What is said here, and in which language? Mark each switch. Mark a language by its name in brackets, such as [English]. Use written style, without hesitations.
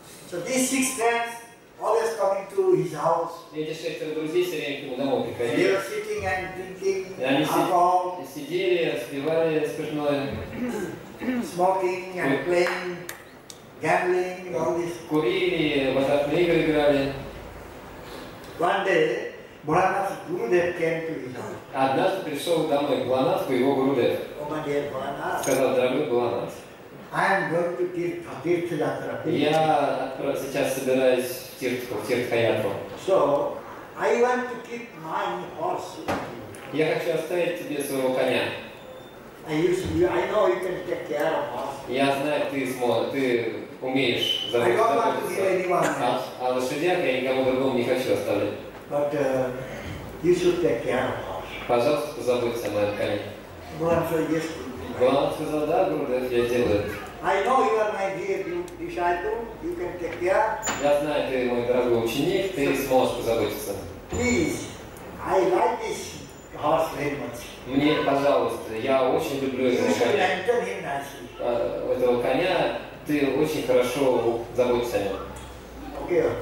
[English] So these 6 friends always coming to his house. [Russian] Эти 6 друзей все время к нему домой приходили. [English] They were sitting and drinking alcohol. [Russian] Сидели, распивали спиртное. [English] Smoking and playing, gambling, all this. [Russian] Курили, в азартные игры играли. [English] One day, Bhola's Gurudev came to his house. [Russian] Однажды пришел домой Бхоланат, его Гурудев. Сказал, дорогой Бхоланат. [English] I am going to Тиртхатра. [Russian] Я сейчас собираюсь в Тиртхаятру. [English] So, I want to keep my horse. [Russian] Я хочу оставить тебе своего коня. [English] I know you can take care of horse. [Russian] Я знаю, ты умеешь заботиться. [English] I don't want to give anyone else. [Russian] А лошадях я никому другому не хочу оставлять. [English] But you should take care of horse. [Russian] Пожалуйста, позаботься о моем коне. Бхоланат сказал, да, Гурудев, я делаю. [English] I know you are my dear disciple, you can take care. [Russian] Я знаю, ты мой дорогой ученик, ты сможешь позаботиться. [English] Please, I like this horse very much. [Russian] Мне, пожалуйста, я очень люблю этого коня. Этого коня, ты очень хорошо заботишься о нем.